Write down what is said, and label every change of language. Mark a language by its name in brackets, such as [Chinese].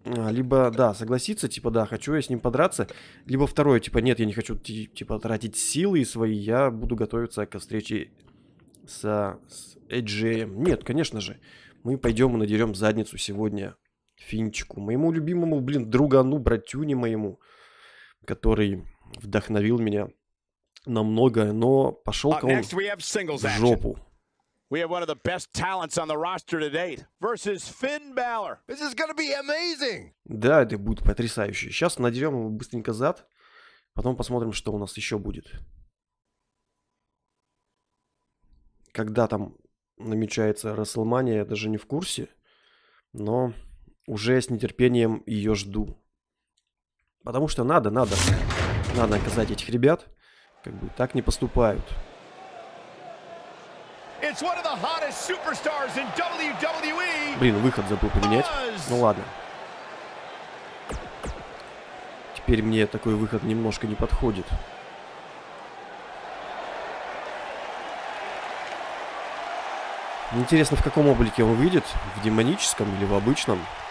[Russian] Либо, да, согласиться, типа, да, хочу я с ним подраться. Либо второе, типа, нет, я не хочу, типа, тратить силы свои, я буду готовиться к встрече с Эджеем. Нет, конечно же, мы пойдем и надерем задницу сегодня Финчику. Моему любимому, блин, другану, братюне моему, который вдохновил меня на многое, но пошел-ка он в жопу. [English] We have one of the best talents on the roster to date versus Finn Balor. This is gonna be amazing. [Russian] Да, это будет потрясающе. Сейчас надерем его быстренько зад, потом посмотрим, что у нас еще будет. Когда там намечается WrestleMania, я даже не в курсе, но уже с нетерпением ее жду. Потому что надо наказать этих ребят, как бы так не поступают. [English] It's one of the hottest superstars in WWE. [Russian] Блин, выход забыл поменять. Ну ладно. Теперь мне такой выход немножко не подходит. Интересно, в каком облике он выйдет? В демоническом или в обычном?